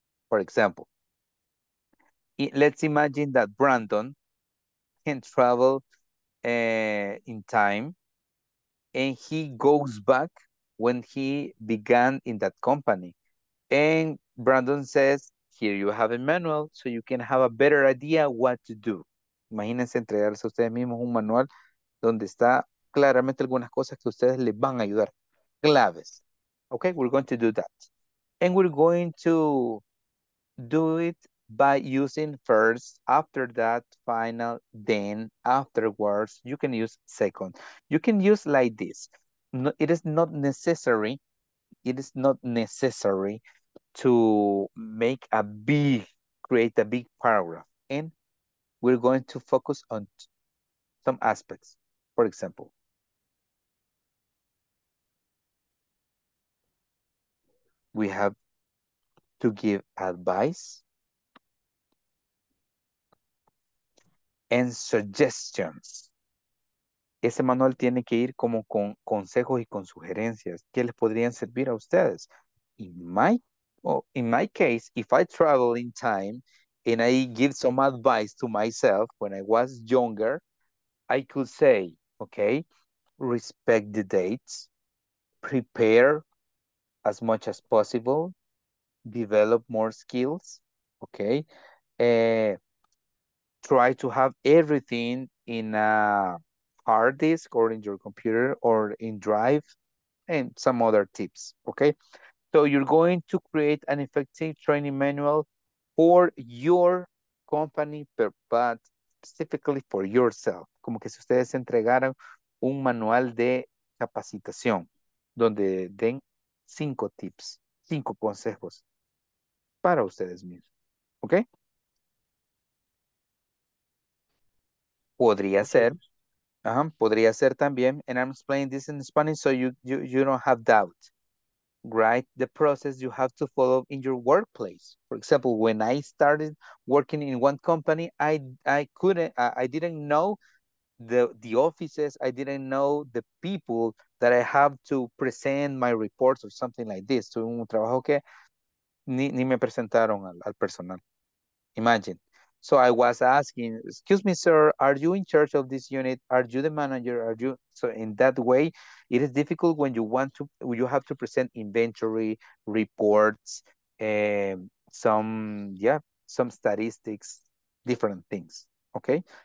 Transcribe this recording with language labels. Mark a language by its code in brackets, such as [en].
[en] For example, let's imagine that Brandon can travel in time, and he goes back when he began in that company. And Brandon says, here you have a manual, so you can have a better idea what to do. [es] Imagínense entregarse a ustedes mismos un manual donde está claramente algunas cosas que ustedes les van a ayudar. Claves. [en] Okay, we're going to do that. And we're going to do it by using first, after that, final, then, afterwards. You can use second. You can use like this. No, it is not necessary. It is not necessary to make a big, create a big paragraph. And we're going to focus on some aspects. For example. We have to give advice and suggestions. [es] Ese manual tiene que ir como con consejos y con sugerencias que les podrían servir a ustedes. [en] In my case, if I travel in time and I give some advice to myself when I was younger, I could say, okay, respect the dates, prepare as much as possible, develop more skills, okay? Try to have everything in a hard disk or in your computer or in drive and some other tips, okay? So you're going to create an effective training manual for your company, but specifically for yourself. [es] Como que si ustedes entregaran un manual de capacitación donde den 5 tips, 5 consejos para ustedes mismos. ¿Ok? Podría ser. Podría ser también. [en] And I'm explaining this in Spanish so you don't have doubt. Write the process you have to follow in your workplace. For example, when I started working in one company, I didn't know the offices, I didn't know the people that I have to present my reports or something like this. [es] So, un trabajo que ni me presentaron al personal. [en] Imagine. So, I was asking, excuse me, sir, are you in charge of this unit? Are you the manager? Are you? So, in that way, it is difficult when you want to, you have to present inventory, reports, some statistics, different things. Okay.